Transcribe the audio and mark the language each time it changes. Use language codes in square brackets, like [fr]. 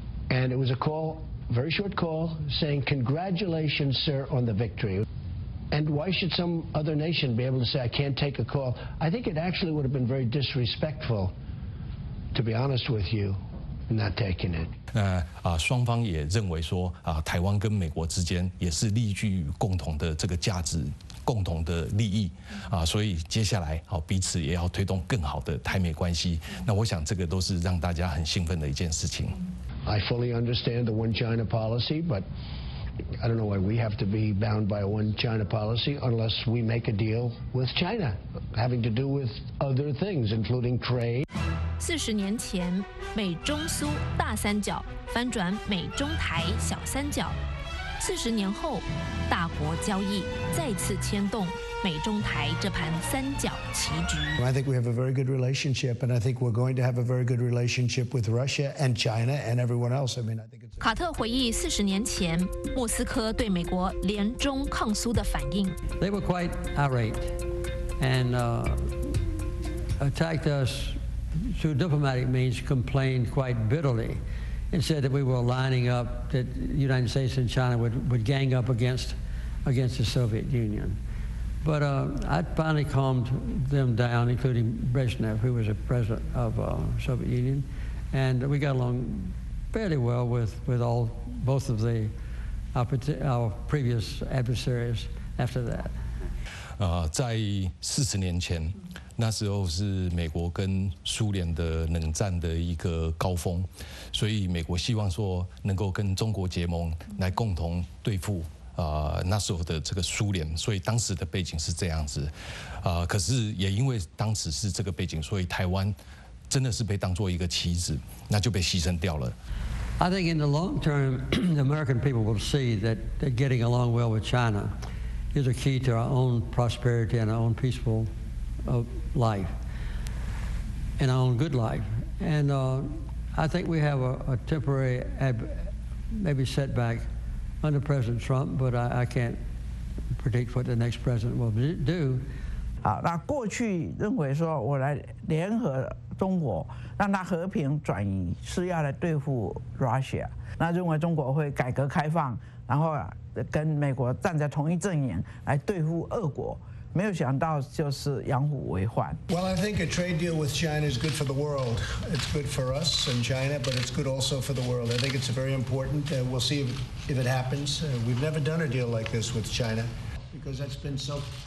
[en] And it was a call, very short call, saying, congratulations, sir, on the victory. And why should some other nation be able to say, I can't take a call? I think it actually would have been very disrespectful, to be honest with you, not taking it. [zh] 那双方也认为说台湾跟美国之间也是立足于共同的这个价值、共同的利益所以接下来彼此也要推动更好的台美关系。那我想这个都是让大家很兴奋的一件事情。 [en] I fully understand the one China policy, but I don't know why we have to be bound by a one China policy unless we make a deal with China, having to do with other things, including trade. [zh] 40年前，美中苏大三角翻转美中台小三角。 40年后，大国交易再次牵动美中台这盘三角棋局。 [en] I think we have a very good relationship, and I think we're going to have a very good relationship with Russia and China and everyone else. I mean, I think. [zh] 卡特回忆40年前莫斯科对美国联中抗苏的反应。 [en] They were quite irate and attacked us through diplomatic means, complained quite bitterly. And said that we were lining up, that the United States and China would gang up against the Soviet Union. But I finally calmed them down, including Brezhnev, who was a president of the Soviet Union. And we got along fairly well with all, both of the, our previous adversaries after that. [zh] 在40年前，那时候是美国跟苏联的冷战的一个高峰，所以美国希望说能够跟中国结盟，来共同对付那时候的这个苏联，所以当时的背景是这样子，可是也因为当时是这个背景，所以台湾真的是被当作一个棋子，那就被牺牲掉了。 [en] I think in the long term, the American people will see that getting along well with China is a key to our own prosperity and our own peaceful. Of life and our own good life. And I think we have a temporary maybe setback under President Trump, but I can't predict what the next president will do. [zh] 好，那过去认为说我来联合中国，让它和平转移，是要来对付 Russia。那认为中国会改革开放，然后跟美国站在同一阵营来对付俄国。没有想到就是养虎为患。 [en] Well, I think a trade deal with China is good for the world. It's good for us and China, but it's good also for the world. I think it's very important. We'll see if it happens. We've never done a deal like this with China because that's been so.